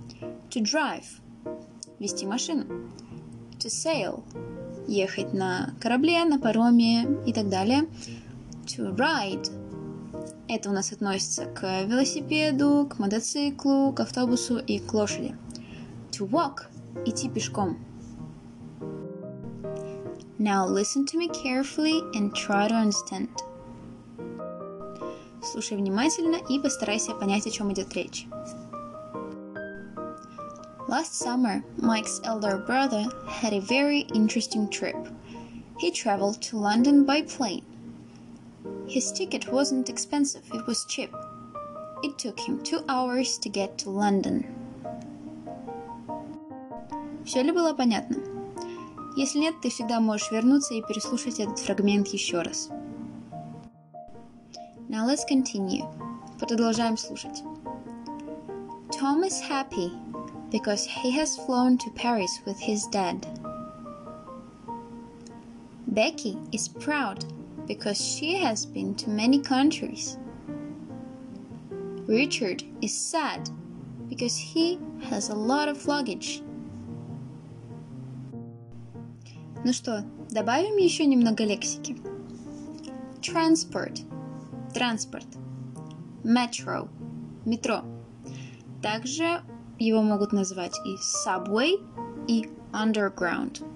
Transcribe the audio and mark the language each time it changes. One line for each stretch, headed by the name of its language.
English: To drive
Russian: – вести машину.
English: To sail
Russian: – ехать на корабле, на пароме и так далее.
English: To ride
Russian: – это у нас относится к велосипеду, к мотоциклу, к автобусу и к лошади.
English: To walk
Russian: – идти пешком.
English: Now listen to me carefully and try to understand.
Russian: Слушай внимательно и постарайся понять, о чем идет речь.
English: Last summer, Mike's elder brother had a very interesting trip. He traveled to London by plane. His ticket wasn't expensive, it was cheap. It took him 2 hours to get to London.
Russian: Все ли было понятно? Если нет, ты всегда можешь вернуться и переслушать этот фрагмент еще раз.
English: Now let's continue.
Russian: Продолжаем слушать.
English: Tom is happy because he has flown to Paris with his dad. Becky is proud because she has been to many countries. Richard is sad because he has a lot of luggage.
Russian: Ну что, добавим еще немного лексики.
English: Transport.
Russian: Транспорт. Metro. Метро. Также его могут назвать и subway, и underground.